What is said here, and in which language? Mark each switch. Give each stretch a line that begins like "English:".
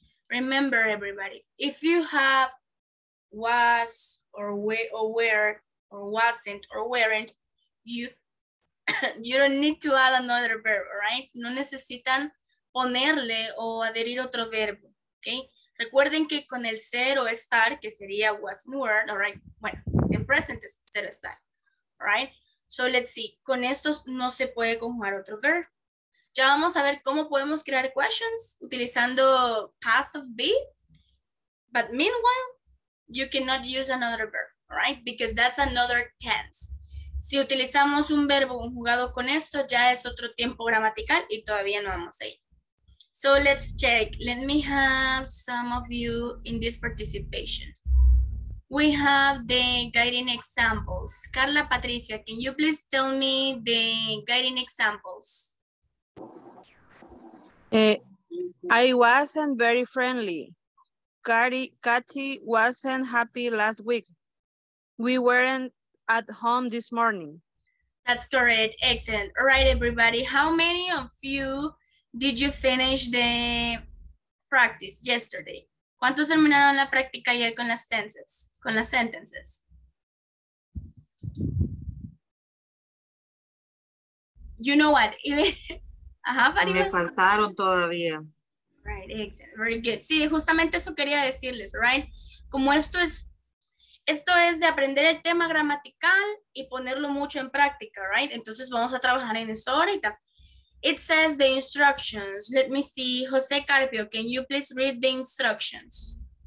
English: Remember, everybody, if you have was or were or wasn't or weren't, you don't need to add another verb, all right?
Spanish: No necesitan ponerle o adherir otro verbo, okay? Recuerden que con el ser o estar, que sería was and were, all right?
English: Bueno, the present is ser estar, all right? So let's see,
Spanish: con estos no se puede conjugar otro verb. Ya vamos a ver cómo podemos crear questions utilizando past of be.
English: But meanwhile, you cannot use another verb, right? Because that's another tense.
Spanish: Si utilizamos un verbo conjugado con esto, ya es otro tiempo gramatical y todavía no vamos ahí.
English: So let's check. Let me have some of you in this participation. We have the guiding examples. Carla Patricia, can you please tell me the guiding examples? I wasn't very friendly. Kathy wasn't happy last week. We weren't at home this morning. That's correct. Excellent. All right, everybody. How many of you did you finish the practice yesterday?
Spanish: ¿Cuántos terminaron la práctica ayer con las tenses? Con las sentences.
English: You know what? Ajá,
Spanish: Farina. Me faltaron todavía.
English: Right, excellent. Very good.
Spanish: Sí, justamente eso quería decirles,
English: right?
Spanish: Como esto es de aprender el tema gramatical y ponerlo mucho en práctica, right? Entonces vamos a trabajar en eso ahorita.
English: It says the instructions. Let me see. José Carpio, can you please read the instructions?